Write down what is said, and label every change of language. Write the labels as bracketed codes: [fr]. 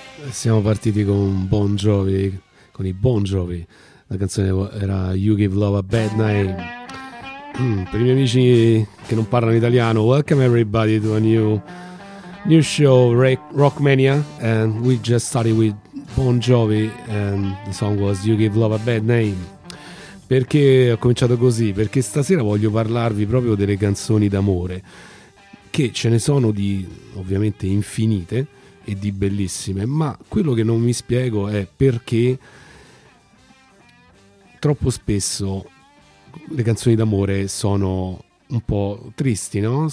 [it] Siamo partiti con Bon Jovi, con i Bon Jovi, la canzone era You Give Love a Bad Name. Per i miei amici che non parlano italiano, [en] welcome everybody to a new show, Rockmania. And we just started with Bon Jovi and the song was You Give Love a Bad Name. [it] Perché ho cominciato così? Perché stasera voglio parlarvi proprio delle canzoni d'amore, che ce ne sono di ovviamente infinite e di bellissime, ma quello che non mi spiego è perché troppo spesso le canzoni d'amore sono un po' tristi, no?